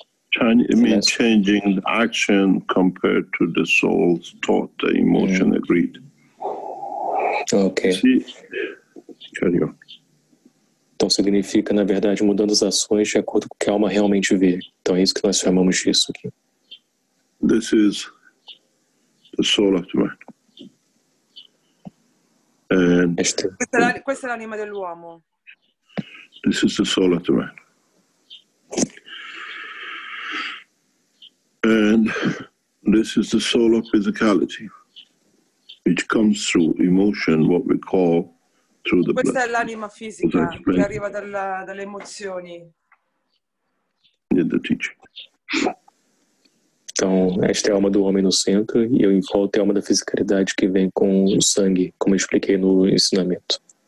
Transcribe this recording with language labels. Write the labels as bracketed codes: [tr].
[en] Chinese, it means changing the action compared to the soul's thought, the emotion agreed. Okay. Carry on. [pt] Então significa, na verdade, mudando as ações de acordo com o que a alma realmente vê. Então é isso que nós chamamos disso aqui. [en] This is the soul of the man. [it] Questa è l'anima dell'uomo. [en] This is the soul of the man. And this is the soul of physicality, which comes through emotion, what we call through the [it] questa [en] blood. [it] È l'anima fisica che arriva dalle emozioni. [en] In the teaching. [pt] Então, esta é a alma do homem no centro e eu envolto a alma da fisicalidade que vem com o sangue, como eu expliquei no ensinamento.